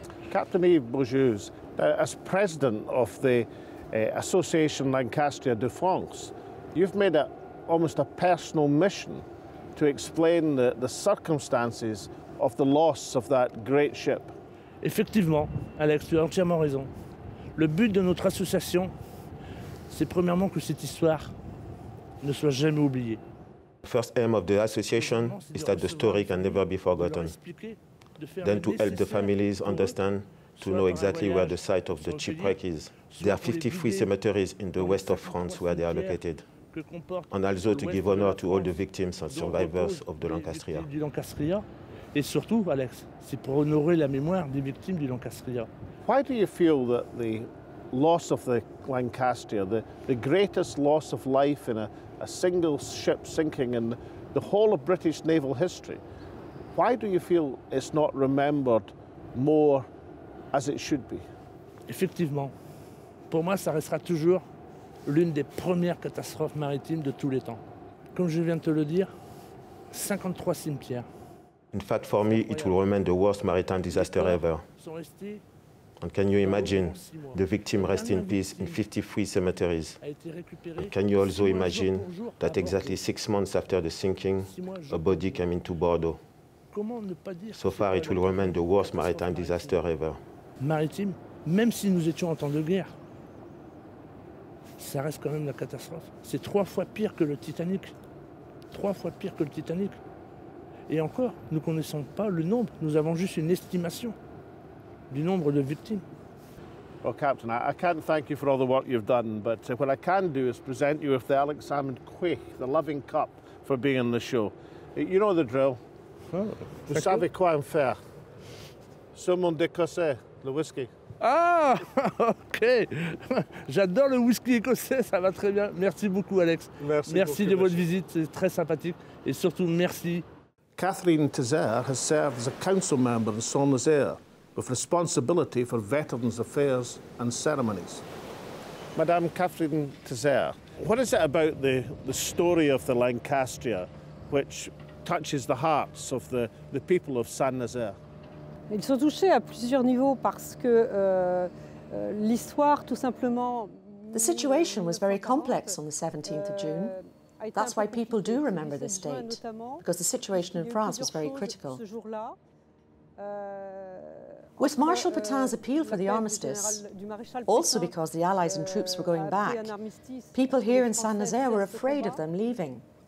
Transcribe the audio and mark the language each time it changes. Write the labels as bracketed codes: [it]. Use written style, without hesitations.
[en] Captain Yves Bejuge, as president of the Association Lancastria de France, you've made it almost a personal mission to explain the circumstances of the loss of that great ship. [fr] Effectivement, Alex, tu as entièrement raison. Le but de notre association, c'est premièrement que cette histoire ne soit jamais oubliée. [en] The first aim of the association is that the story can never be forgotten. Then to help the families understand, to know exactly where the site of the shipwreck is. There are 53 cemeteries in the west of France where they are located. And also to give honor to all the victims and survivors of the Lancastria. [fr] Et surtout, Alex, c'est pour honorer la mémoire des victimes du Lancastria. [en] Why do you feel that the loss of the Lancastria, the greatest loss of life in a single ship sinking in the whole of British naval history, why do you feel it's not remembered more as it should be? [fr] Effectivement, pour moi, ça restera toujours l'une des premières catastrophes maritimes de tous les temps. Comme je viens de te le dire, 53 cimetières. [en] In fact, for me, it will remain the worst maritime disaster ever. And can you imagine the victim resting in peace in 53 cemeteries? And can you also imagine that exactly 6 months after the sinking, a body came into Bordeaux? So far, it will remain the worst maritime disaster ever. [fr] Maritime, même si nous étions en temps de guerre, ça reste quand même la catastrophe. C'est trois fois pire que le Titanic. Trois fois pire que le Titanic. Et encore, nous ne connaissons pas le nombre, nous avons juste une estimation du nombre de victimes. [en] Well, Captain, I can't thank you for all the work you've done, but what I can do is present you with the Alex Salmond Quay, the loving cup, for being on the show. You know the drill. Oh, [fr] vous savez quoi en faire. Saumon d'Écossais, le whisky. Ah, OK. J'adore le whisky écossais, ça va très bien. Merci beaucoup, Alex. Merci de votre visite, c'est très sympathique. Et surtout, merci. [en] Catherine Tizer has served as a council member in Saint-Nazaire with responsibility for veterans' affairs and ceremonies. Madame Catherine Tizer, what is it about the story of the Lancastria which touches the hearts of the people of Saint-Nazaire? [fr] Ils sont touchés à plusieurs niveaux parce que l'histoire, tout simplement... [en] The situation was very complex on the 17th of June. That's why people do remember this date, because the situation in France was very critical. With Marshal Pétain's appeal for the armistice, also because the Allies and troops were going back, people here in Saint-Nazaire were afraid of them leaving.